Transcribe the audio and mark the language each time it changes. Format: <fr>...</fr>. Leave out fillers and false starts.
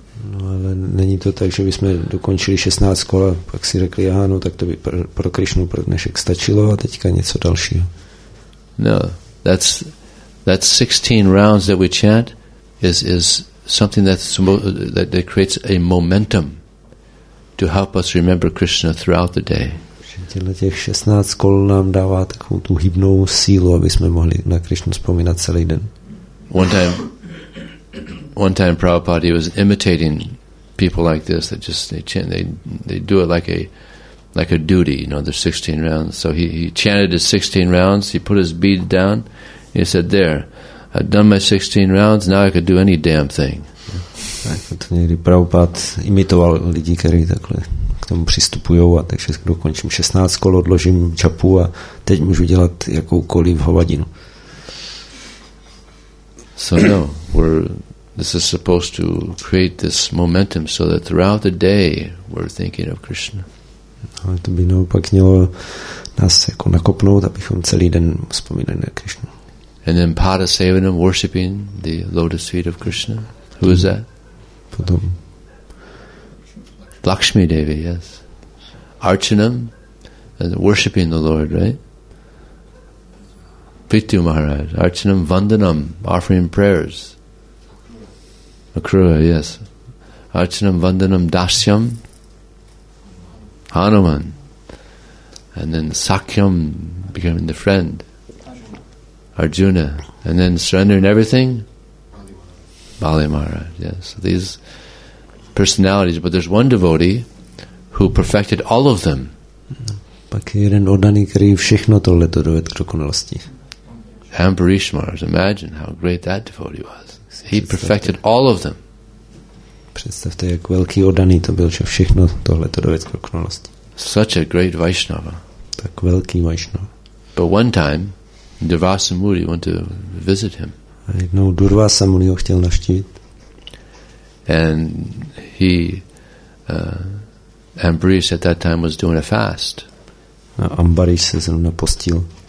<cs>No, ale není to tak, že bychom dokončili 16 kol a pak si řekli, aha, no, tak to by pro Krishnu pro dnešek stačilo a teďka něco dalšího.</cs> <en>No, that's 16 rounds that we chant is something that creates a momentum to help us remember Krishna throughout the day.</en> <cs>Těch 16 kol nám dává takovou tu hybnou sílu, aby jsme mohli na Krishnu vzpomínat celý den.</cs> <en>One time Prabhupada was imitating people like this that just they do it like a duty, you know, the 16 rounds. So he chanted his 16 rounds, he put his bead down, and he said, "There, I've done my 16 rounds, now I could do any damn thing."</en> <cs>Tak to někdy Prabhupád imitoval lidi, kteří takhle k tomu přistupují, a takže dokončím 16 kol, odložím čapu a teď můžu dělat jakoukoliv hovadinu.</cs> <en>So no, this is supposed to create this momentum so that throughout the day we're thinking of Krishna.</en> <cs>Ale to by naopak mělo nás jako nakopnout, abychom celý den vzpomínali na Krishnu.</cs> <en>And then Pada Sevanam, worshipping the lotus feet of Krishna. Who is that?</en> <cs>Potom.</cs> <en>Lakshmi Devi, yes. Archanam, worshipping the Lord, right? Vitu Maharaj, Archanam Vandanam, offering prayers. Akrura, yes. Archanam Vandanam Dasyam, Hanuman. And then Sakyam, becoming the friend. Arjuna. And then surrendering everything. Bali Maharaj, yes. So these personalities, but there's one devotee who perfected all of them.</en> <cs>Pak je jeden oddaný, který všechno tohle dovedl k dokonalosti.</cs> <en>Ambarish Maharaj, imagine how great that devotee was. He perfected all of them.</en> <cs>Představte, jak velký oddaný to byl, že všechno tohle dovedl k dokonalosti.</cs> <en>Such a great Vaishnava.</en> <cs>Tak velký Vaishnava.</cs> <en>But one time, Durvasa Muni went to visit him.</en> <cs>A jednou Durvasa Muni ho chtěl navštívit.</cs> <en>And he, Ambarish at that time was doing a fast.</en> <cs>A Ambarish se zrovna postil.</cs>